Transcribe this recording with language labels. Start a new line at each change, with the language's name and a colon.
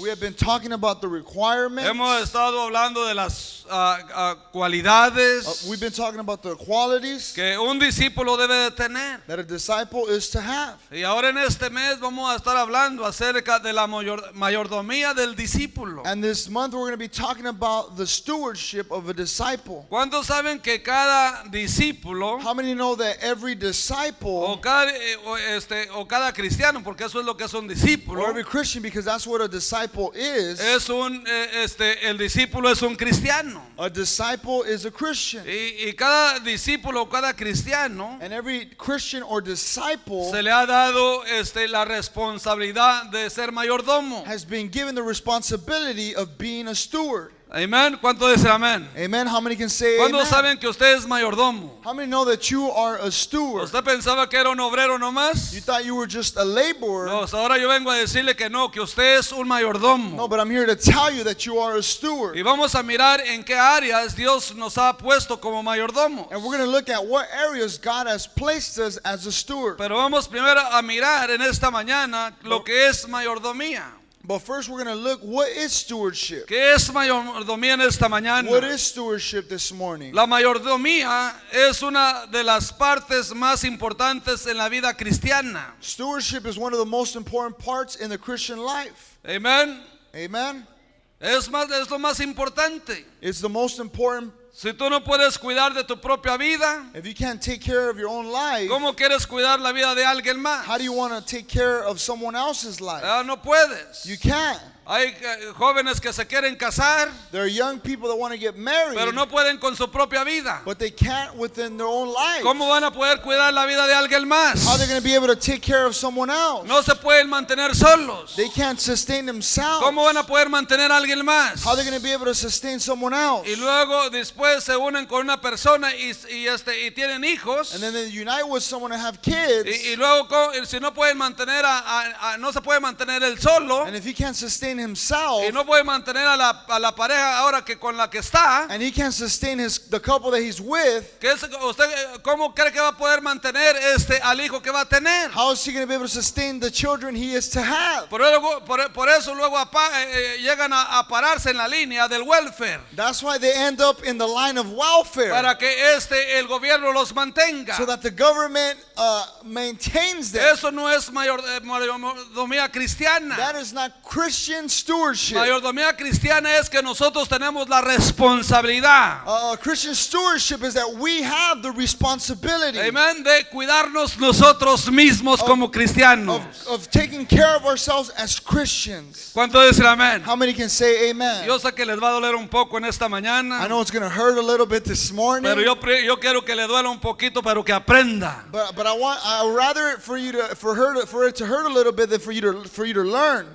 English: We have been talking about the requirements.
Spanish: Hemos estado hablando de las cualidades.
English: We've been talking about the qualities
Spanish: que un discípulo debe de tener.
English: That a disciple is to have.
Spanish: Y ahora en este mes vamos a estar hablando acerca de la mayordomía del discípulo.
English: And this month we're going to be talking about the stewardship of a disciple.
Spanish: ¿Cuántos saben que cada discípulo?
English: How many know that every disciple?
Spanish: O cada cristiano, porque eso es lo que es un discípulo.
English: Or every Christian, because that's what a disciple is.
Spanish: Es un el discípulo es un cristiano.
English: A disciple is a Christian.
Spanish: Y cada discípulo, cada cristiano,
English: and every Christian or disciple,
Spanish: se le ha dado la responsabilidad de ser mayordomo.
English: Has been given the responsibility of being a steward.
Spanish: Amen. ¿Cuánto dice amén?
English: Amen. How many can say amen?
Spanish: ¿Cuándo saben que usted es mayordomo?
English: How many know that you are a steward?
Spanish: ¿Usted pensaba que era un obrero nomás?
English: You thought you were just a laborer.
Spanish: No, ahora yo vengo a decirle que no, que usted es un mayordomo.
English: No, but I'm here to tell you that you are a steward.
Spanish: Y vamos a mirar en qué áreas Dios nos ha puesto como mayordomo.
English: And we're going to look at what areas God has placed us as a steward.
Spanish: Pero vamos primero a mirar en esta mañana lo que es mayordomía.
English: But first we're going to look, what is stewardship?
Spanish: ¿Qué es mayordomía en esta mañana?
English: What is stewardship this morning?
Spanish: La mayordomía es una de las partes más importantes en la vida cristiana.
English: Stewardship is one of the most important parts in the Christian life. Amen. Amen.
Spanish: Es lo más importante.
English: It's the most important.
Spanish: Si tú no puedes cuidar de tu propia vida,
English: if you can't take care of your own life,
Spanish: ¿cómo quieres cuidar la vida de alguien más?
English: How do you want to take care of someone else's life?
Spanish: No puedes.
English: You can't.
Spanish: Hay jóvenes que se quieren casar,
English: there are young people that want to get married,
Spanish: pero no pueden con su propia vida.
English: But they can't within their own life.
Spanish: ¿Cómo van a poder cuidar la vida de alguien más?
English: How are they going to be able to take care of someone else?
Spanish: No se pueden mantener solos.
English: They can't sustain themselves.
Spanish: ¿Cómo van a poder mantener a alguien más?
English: How are they going to be able to sustain someone else?
Spanish: Y luego después se unen con una persona y tienen hijos.
English: And then they unite with someone and have kids.
Spanish: Y luego si no pueden mantener no se puede mantener el solo.
English: And if you can't sustain himself,
Spanish: y no puede mantener a la pareja ahora que con la que está,
English: and he can't sustain the couple that he's with.
Spanish: ¿Qué es, usted, cómo cree que va a poder mantener al hijo que va a tener?
English: How is he going to be able to sustain the children he is to have?
Spanish: Por eso luego llegan a pararse en la línea del welfare.
English: That's why they end up in the line of welfare.
Spanish: Para que el gobierno los mantenga.
English: So that the government maintains them.
Spanish: Eso no es mayordomía cristiana.
English: That is not Christian. Stewardship.
Spanish: Mayordomía cristiana es que nosotros tenemos la responsabilidad.
English: Christian stewardship is that we have the responsibility.
Spanish: Amen. De cuidarnos nosotros mismos como cristianos.
English: Of taking care of ourselves as Christians.
Spanish: ¿Cuánto dicen amén?
English: How many can say amen?
Spanish: Yo sé que les va a doler un poco en esta mañana.
English: I know it's going to hurt a little bit this morning.
Spanish: Pero yo quiero que le duela un poquito para que aprenda.
English: But I'd rather it for you to for it to hurt a little bit than for you to learn.